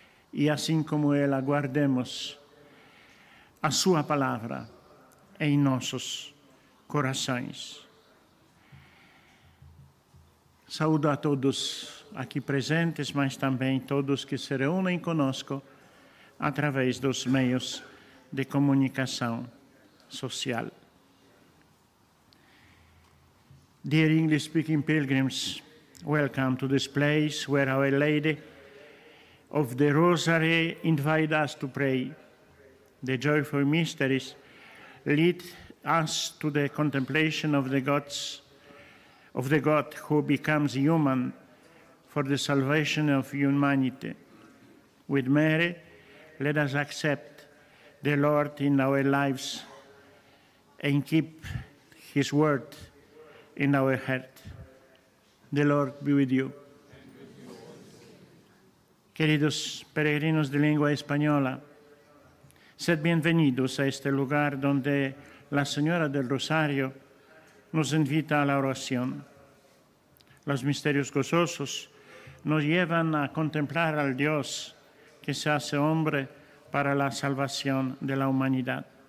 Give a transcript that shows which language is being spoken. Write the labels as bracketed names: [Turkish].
[Portuguese] E assim como ela, guardemos a sua palavra em nossos corações. Saúdo a todos aqui presentes, mas também todos que se reúnem conosco através dos meios de comunicação social. [English] Dear English-speaking pilgrims, welcome to this place where Our Lady of the Rosary invite us to pray. The joyful mysteries lead us to the contemplation of the gods, of the God who becomes human for the salvation of humanity. With Mary, let us accept the Lord in our lives and keep his word in our heart. The Lord be with you. [Spanish] Queridos peregrinos de lengua española, sed bienvenidos a este lugar donde la Señora del Rosario nos invita a la oración. Los misterios gozosos nos llevan a contemplar al Dios que se hace hombre para la salvación de la humanidad.